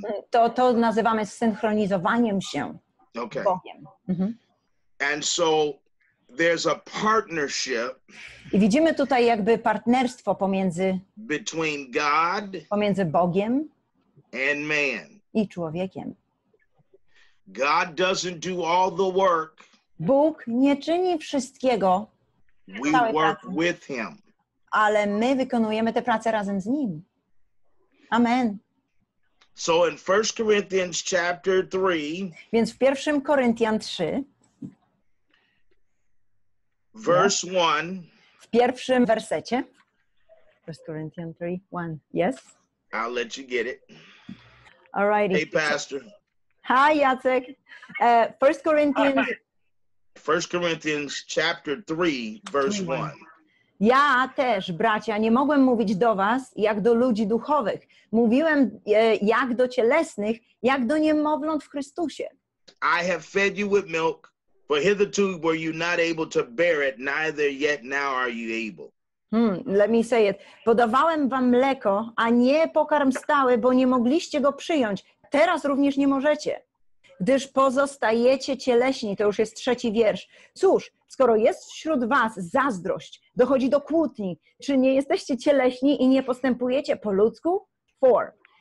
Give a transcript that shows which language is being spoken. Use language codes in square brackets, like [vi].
[pl] to nazywamy synchronizowaniem się. [en] Okay. [pl] Bogiem. Mm-hmm. [en] And so there's a partnership. [pl] I widzimy tutaj jakby partnerstwo pomiędzy [en] between God, [pl] pomiędzy Bogiem [en] and man. [pl] I człowiekiem. [en] God doesn't do all the work. [pl] Bóg nie czyni wszystkiego. [en] We work [pl] pracy, [en] with him. [pl] Ale my wykonujemy tę pracę razem z nim. Amen. [en] So in 1 Corinthians chapter 3, [pl] więc w 1 Koryntian 3, [en] verse 1, [pl] w pierwszym wersecie, [en] 1 Corinthian 3, 1, yes? I'll let you get it. All righty. Hey, Pastor. Hi, Jacek. 1 Corinthians. 1 Corinthians chapter 3, verse 1. [pl] Ja też, bracia, nie mogłem mówić do was jak do ludzi duchowych. Mówiłem jak do cielesnych, jak do niemowląt w Chrystusie. [en] I have fed you with milk, for hitherto were you not able to bear it, neither yet now are you able. Let me say it. [pl] Podawałem wam mleko, a nie pokarm stały, bo nie mogliście go przyjąć. Teraz również nie możecie, gdyż pozostajecie cieleśni. To już jest trzeci wiersz. Cóż, skoro jest wśród was zazdrość, dochodzi do kłótni, czy nie jesteście cieleśni i nie postępujecie po ludzku? [en] Four.